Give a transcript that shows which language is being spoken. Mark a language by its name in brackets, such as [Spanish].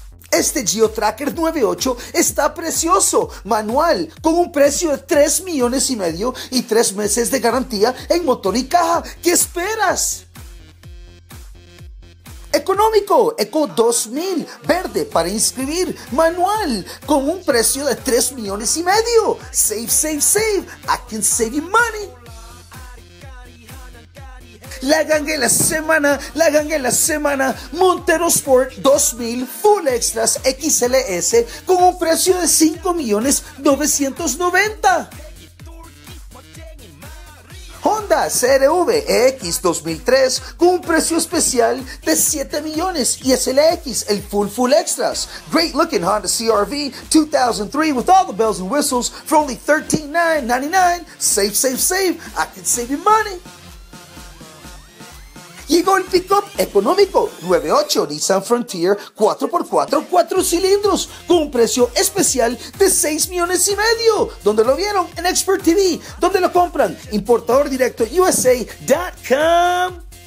[Spanish] Este Geotracker 9.8 está precioso, manual, con un precio de 3 millones y medio y 3 meses de garantía en motor y caja. ¿Qué esperas? Económico, Eco 2000, verde para inscribir, manual, con un precio de 3 millones y medio. [English] Save, save, save, I can save you money. [Spanish] La ganga de la semana, la ganga de la semana, Montero Sport 2000 Full Extras XLS con un precio de 5.990.000. Honda CRV EX 2003 con un precio especial de 7 millones y SLX el Full Extras. [English] Great looking Honda CRV 2003 with all the bells and whistles for only $13,999. Save, save, save, I can save you money. [Spanish] Llegó el pick-up económico 9.8 Nissan Frontier 4x4 4 cilindros con un precio especial de 6 millones y medio. ¿Dónde lo vieron? En Expert TV. ¿Dónde lo compran? ImportadorDirectoUSA.com.